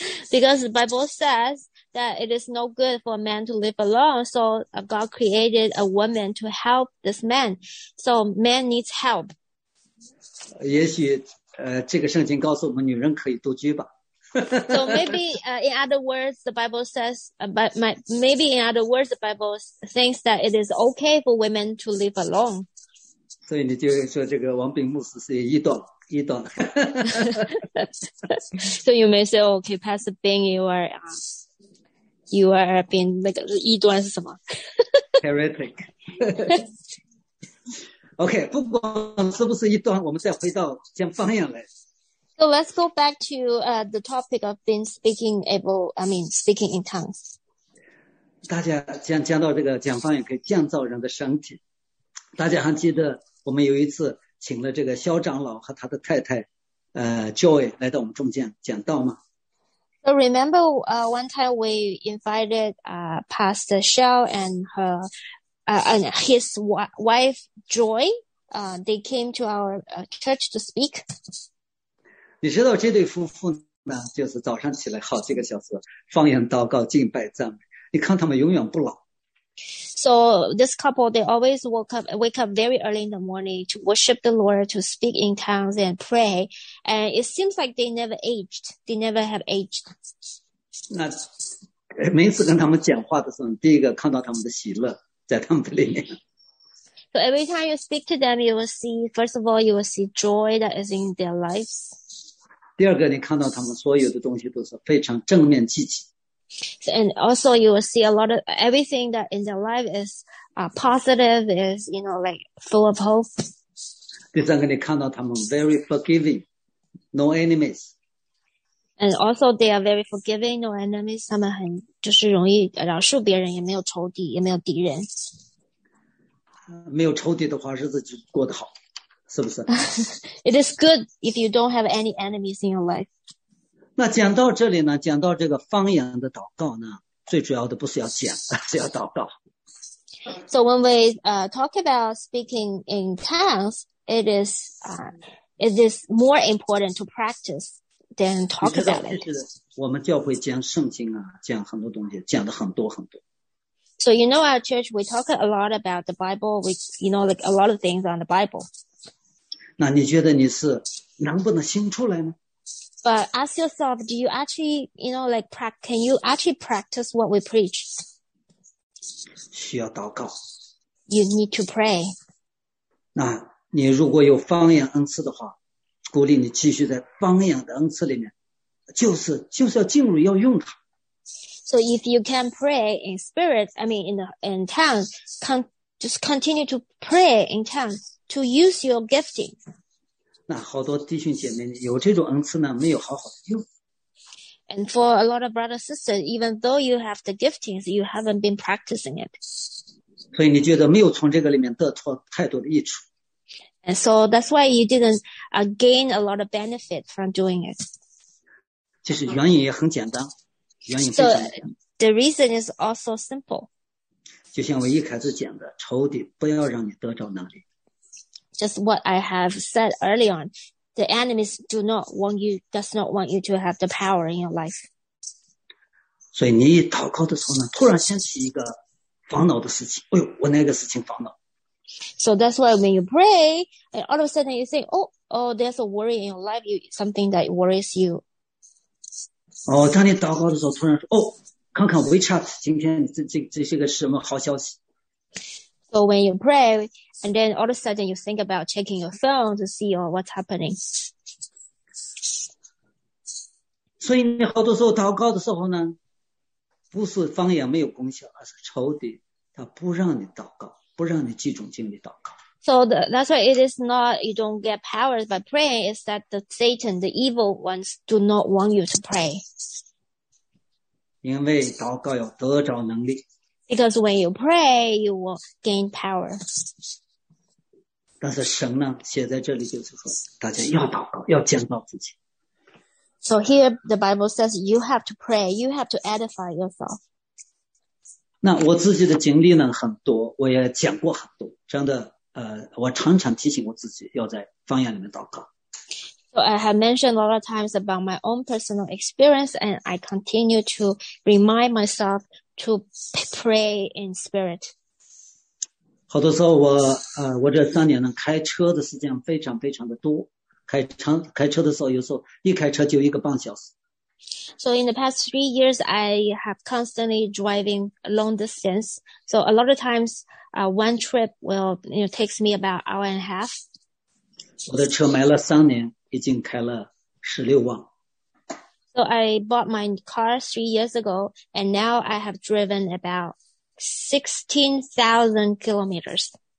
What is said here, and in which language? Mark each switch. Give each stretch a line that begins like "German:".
English: Because the Bible says that it is no good for a man to live alone, so God created a woman to help this man. So man needs help.
Chinese: 也许这个圣经告诉我们女人可以独居吧。
English: So maybe in other words, the Bible says, maybe in other words, the Bible thinks that it is okay for women to live alone.
Chinese: 所以你就说这个王炳牧师是异端，异端。
English: So you may say, okay, Pastor Bing, you are being
Chinese: 那个异端是什么
English: ？Heretic.
Chinese: Okay, 不管是不是异端，我们再回到讲方言来。
English: So let's go back to the topic of being speaking in tongues.
Chinese: 大家讲到这个讲方言可以建造人的身体，大家还记得？我们有一次请了这个肖长老和他的太太Joy 来到我们中间讲道吗
English: So remember one time we invited Pastor Shell and her and his wife Joy they came to our church to speak
Chinese: 你知道这对夫妇呢就是早上起来好几个小时方言祷告敬拜赞美你看他们永远不老
English: So this couple, they always wake up very early in the morning to worship the Lord, to speak in tongues and pray. And it seems like they never aged. They never have aged.
Chinese: 那每次跟他们讲话的时候，第一个看到他们的喜乐在他们的里面。
English: So every time you speak to them, you will see, first of all, you will see joy that is in their lives.
Chinese: 第二个，你看到他们所有的东西都是非常正面积极。
English: So, and also you will see a lot of everything that in their life is positive, is, you know, like full of hope.
Chinese: 第三个你看到他们
English: very forgiving, no enemies. And also they are very forgiving, no enemies.
Chinese: 他们很就是容易饶恕别人也没有仇敌也没有敌人。没有仇敌的话日子就过得好是不是
English: It is good if you don't have any enemies in your life.
Chinese: 那讲到这里呢讲到这个方言的祷告呢最主要的不是要讲是要祷告。
English: So when we talk about speaking in tongues, it is more important to practice than talk about it.
Chinese: 我们教会讲圣经啊讲很多东西讲的很多很多。
English: So you know our church, we talk a lot about the Bible, like a lot of things on the Bible.
Chinese: 那你觉得你是能不能行出来呢
English: But ask yourself, do you actually, can you actually practice what we preach?
Chinese: 需要祷告。
English: You need to pray.
Chinese: 那你如果有方言恩赐的话，鼓励你继续在方言的恩赐里面，就是要进入要用它。
English: So if you can pray in spirit, in tongues, just continue to pray in tongues to use your gifting.
Chinese: 那好多弟兄姐妹有这种恩赐呢没有好好的用。
English: And for a lot of brothers and sisters, even though you have the giftings, you haven't been practicing it.
Chinese: 所以你觉得没有从这个里面得到太多的益处。
English: And so that's why you didn't gain a lot of benefit from doing it.
Chinese: 其实原因也很简单。原因非常简单。
English: So the reason is also simple.
Chinese: 就像我一开始讲的，仇敌不要让你得着能力。
English: Just what I have said early on, the enemies do not want you, does not want you to have the power in your life.
Chinese: 所以你一祷告的时候呢，突然想起一个烦恼的事情，哎呦，我那个事情烦恼。
English: So that's why when you pray, and all of a sudden you think, oh, there's a worry in your life, something that worries you.
Chinese: 哦，当你祷告的时候，突然说，哦，看看 WeChat， 今天这些个是什么好消息？
English: So when you pray, and then all of a sudden you think about checking your phone to see oh, what's happening.
Chinese: 所以你好多时候祷告的时候呢，不是方言没有功效，而是仇敌他不让你祷告。不让你集中精力祷告。
English: So that's why it is not you don't get powers by praying, it's that the Satan, the evil ones, do not want you to pray.
Chinese: 因为祷告要得着能力。
English: Because when you pray, you will gain power.
Chinese: 但是神呢，写在这里就是说，大家要祷告，要建造自己。
English: So here the Bible says you have to pray, you have to edify yourself.
Chinese: 那我自己的经历呢很多，我也讲过很多这样的我常常提醒我自己要在方言里面祷告。
English: So I have mentioned a lot of times about my own personal experience and I continue to remind myself to pray in spirit.
Chinese: 好多时候我这三年呢开车的时间非常非常的多，开车的时候有时候一开车就一个半小时。
English: So in the past 3 years, I have constantly driving long distance. So a lot of times, one trip will, you know, takes me about hour and a half.
Chinese: 我的车买了三年，已经开了16万。
English: So I bought my car 3 years ago, and now I have driven about 16,000 kilometers.